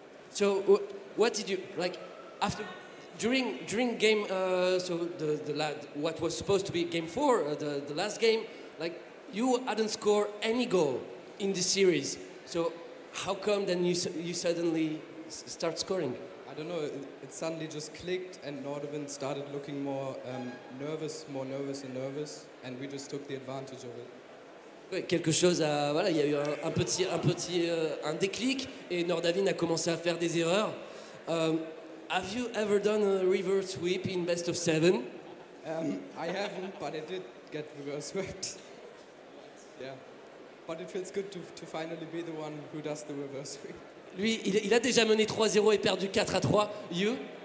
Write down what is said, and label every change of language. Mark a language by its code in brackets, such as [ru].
[en] So what did you like after during game so the lad what was supposed to be game four, the last game, like you hadn't scored any goal in the series. So how come then you suddenly start scoring? I don't know, it suddenly just clicked and Nordavin started looking more nervous and we just took the advantage of it. [fr] Ouais, quelque chose à voilà, il y a eu un petit déclic et Nordavin a commencé à faire des erreurs. [en] Have you ever done a reverse sweep in best of seven? I haven't, but I did get reverse swept. Yeah. But it feels good to finally be the one who does the reverse sweep. [fr] Lui, il a déjà mené 3-0 et perdu 4-3. You?